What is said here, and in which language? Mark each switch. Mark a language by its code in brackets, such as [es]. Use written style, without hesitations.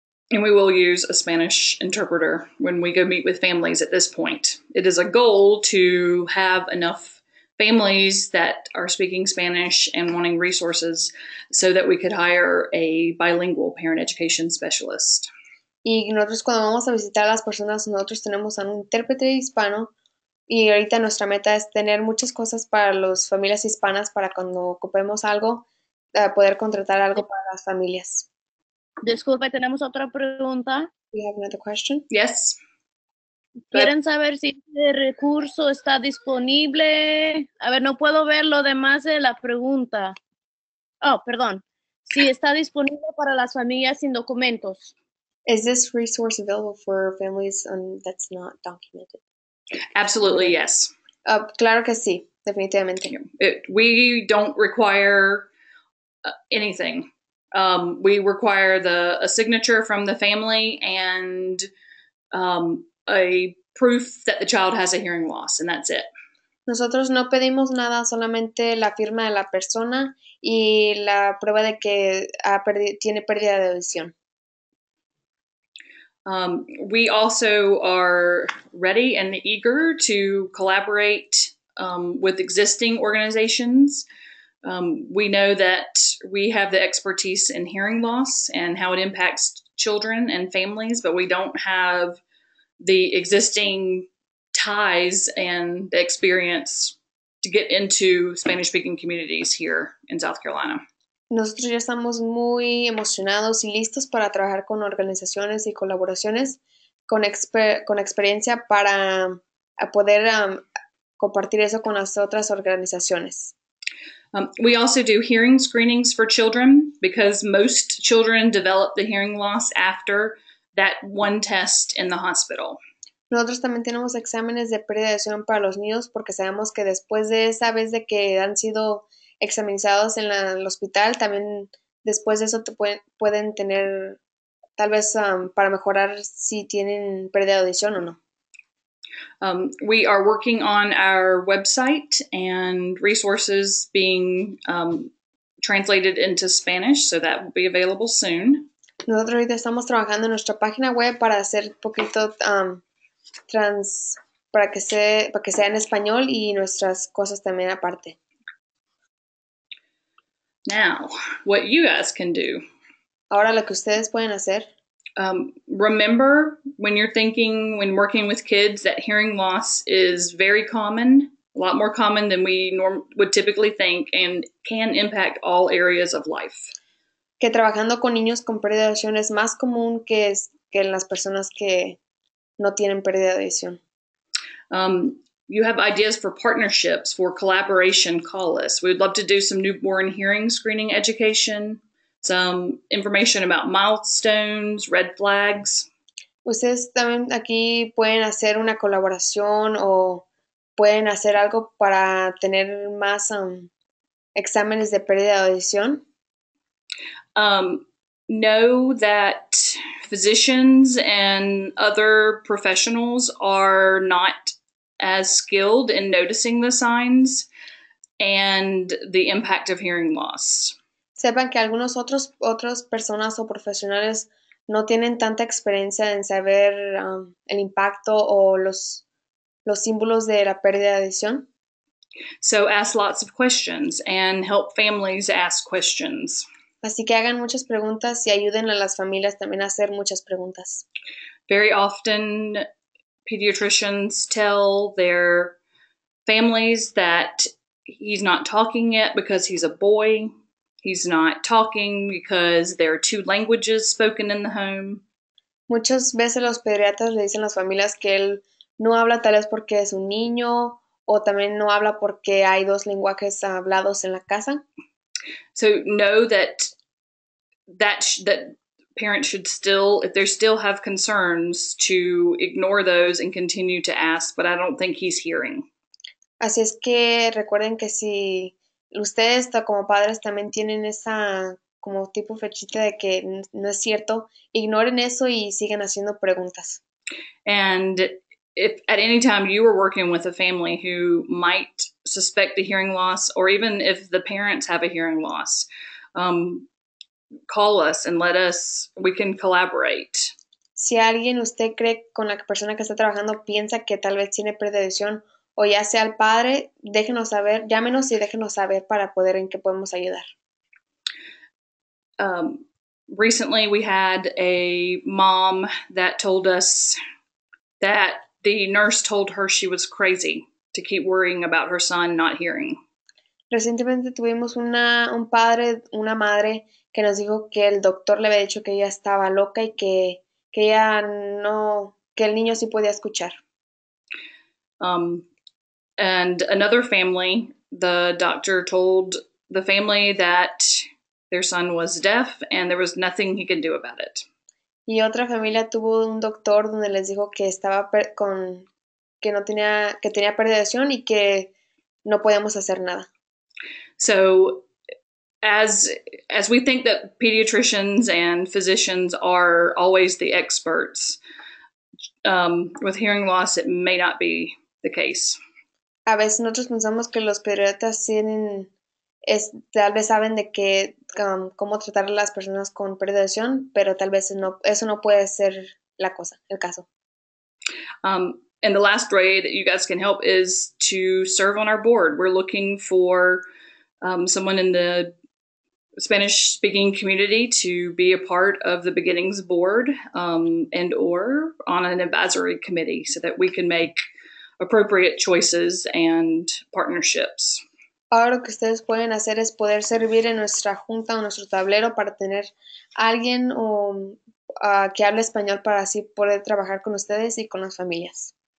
[en] And we will use a Spanish interpreter when we go meet with families at this point. It is a goal to have enough families that are speaking Spanish and wanting resources so that we could hire a bilingual parent education specialist. [es] Y nosotros cuando vamos a visitar a las personas, nosotros tenemos a un intérprete hispano y ahorita nuestra meta es tener muchas cosas para las familias hispanas para cuando ocupemos algo, poder contratar algo para las familias. Disculpe, ¿tenemos otra pregunta? [en] We have another question. Yes. [es] ¿Quieren saber si este recurso está disponible? A ver, no puedo ver lo demás de la pregunta. Oh, perdón. Si está disponible para las familias sin documentos. [en] Is this resource available for families that's not documented? Absolutely, yes. [es] Claro que sí, definitivamente. [en] We don't require anything. We require a signature from the family and a proof that the child has a hearing loss, and that's it. [es] Nosotros no pedimos nada, solamente la firma de la persona y la prueba de que tiene pérdida de audición. [en] We also are ready and eager to collaborate with existing organizations. We know that we have the expertise in hearing loss and how it impacts children and families, but we don't have the existing ties and the experience to get into Spanish-speaking communities here in South Carolina. [es] Nosotros ya estamos muy emocionados y listos para trabajar con organizaciones y colaboraciones con experiencia para poder compartir eso con las otras organizaciones. [en] We also do hearing screenings for children because most children develop the hearing loss after that one test in the hospital. [es] Nosotros también tenemos exámenes de pérdida de audición para los niños porque sabemos que después de esa vez de que han sido examinados en el hospital, también después de eso pueden tener, tal vez para mejorar si tienen pérdida de audición o no. [en] We are working on our website and resources being translated into Spanish, so that will be available soon. [es] Nosotros ahorita estamos trabajando en nuestra página web para hacer poquito para que sea en español y nuestras cosas también aparte. [en] Now, what you guys can do. [es] Ahora lo que ustedes pueden hacer. [en] Remember when you're thinking, when working with kids, that hearing loss is very common, a lot more common than we would typically think, and can impact all areas of life. [es] Que trabajando con niños con pérdida de audición es más común que en las personas que no tienen pérdida de audición. [en] You have ideas for partnerships, for collaboration, call us. We would love to do some newborn hearing screening education, some information about milestones, red flags. [es] Ustedes también aquí pueden hacer una colaboración o pueden hacer algo para tener más exámenes de pérdida de audición. [en] Know that physicians and other professionals are not as skilled in noticing the signs and the impact of hearing loss. [es] Sepan que algunos otros personas o profesionales no tienen tanta experiencia en saber el impacto o los símbolos de la pérdida de audición. [en] So ask lots of questions and help families ask questions. [es] Así que hagan muchas preguntas y ayuden a las familias también a hacer muchas preguntas. [en] Very often pediatricians tell their families that he's not talking yet because he's a boy. He's not talking because there are two languages spoken in the home. [es] Muchas veces los pediatras le dicen a las familias que él no habla tal vez porque es un niño, o también no habla porque hay dos lenguajes hablados en la casa. [en] So know that parents should still, if they still have concerns, to ignore those and continue to ask, but I don't think he's hearing. [es] Así es que recuerden que si ustedes como padres también tienen esa como tipo flechita de que no es cierto, ignoren eso y sigan haciendo preguntas. [en] And if at any time you were working with a family who might suspect a hearing loss, or even if the parents have a hearing loss, call us and let us, we can collaborate. [es] Si alguien usted cree con la persona que está trabajando piensa que tal vez tiene pérdida de visión, o ya sea el padre, déjenos saber, llámenos y déjenos saber para poder en qué podemos ayudar. [en] Recently we had a mom that told us that the nurse told her she was crazy to keep worrying about her son not hearing. [es] Recientemente tuvimos una madre que nos dijo que el doctor le había dicho que ella estaba loca y que ella no, que el niño sí podía escuchar. [en] And another family, the doctor told the family that their son was deaf and there was nothing he could do about it. [es] Y otra familia tuvo un doctor donde les dijo que estaba que tenía pérdida de visión y que no podíamos hacer nada. [en] So as we think that pediatricians and physicians are always the experts, with hearing loss it may not be the case. [es] A veces nosotros pensamos que los pediatras tienen, tal vez saben de que cómo tratar a las personas con pérdida de visión, pero tal vez eso no puede ser la cosa, el caso. [en] And the last way that you guys can help is to serve on our board. We're looking for someone in the Spanish-speaking community to be a part of the Beginnings board and or on an advisory committee so that we can make appropriate choices and partnerships. [es] Ahora lo que ustedes pueden hacer es poder servir en nuestra junta o nuestro tablero para tener alguien que hable español para así poder trabajar con ustedes y con las familias.